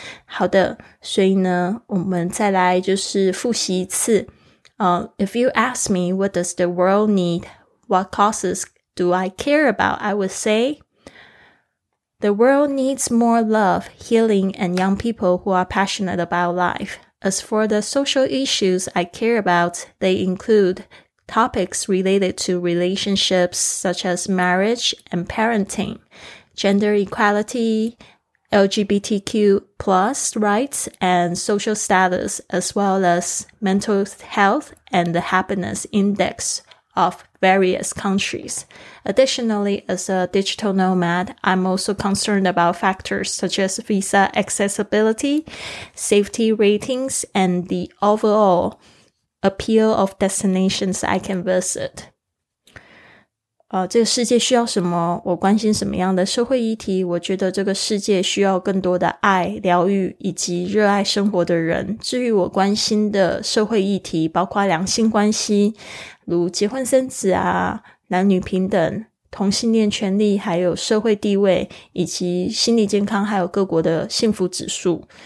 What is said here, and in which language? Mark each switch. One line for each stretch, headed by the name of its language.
Chinese: 好的，所以呢我们再来就是复习一次。
English: If you ask me, what does the world need? What causes do I care about? I would say, the world needs more love, healing, and young people who are passionate about life. As for the social issues I care about, they include topics related to relationships such as marriage and parenting, gender equality, LGBTQ plus rights and social status, as well as mental health and the happiness index of various countries. Additionally, as a digital nomad, I'm also concerned about factors such as visa accessibility, safety ratings, and the overall appeal of destinations I can visit.
Chinese: 这个世界需要什么？我关心什么样的社会议题？我觉得这个世界需要更多的爱、疗愈以及热爱生活的人。至于我关心的社会议题，包括两性关系，如结婚生子啊、男女平等、同性恋权利，还有社会地位以及心理健康，还有各国的幸福指数。